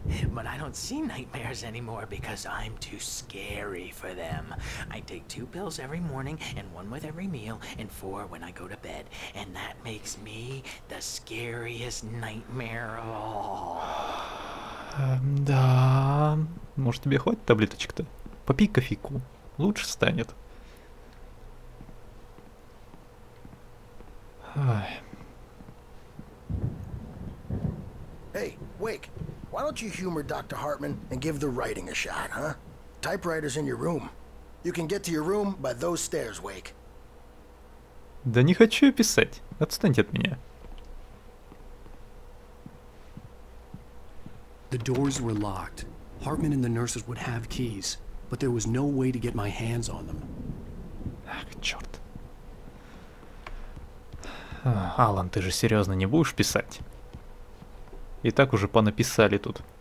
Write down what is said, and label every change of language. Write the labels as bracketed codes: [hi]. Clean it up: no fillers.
[en] But I don't see nightmares anymore because I'm too scary for them. I take 2 pills every morning and 1 with every meal and 4 when I go to bed. And that makes me the scariest nightmare of all. [ru] Да, может, тебе хватит таблеточек-то? Попей кофейку, лучше станет. [en] Hey, Wake, why don't you humor Dr. Hartman and give the writing a shot, huh? Typewriter's in your room. You can get to your room by those stairs, Wake. [ru] Да не хочу я писать. Отстаньте от меня. [en] The doors were locked. Hartman and the nurses would have keys, but there was no way to get my hands on them. [ru] Ах, черт. Алан, ты же серьезно не будешь писать? И так уже понаписали тут.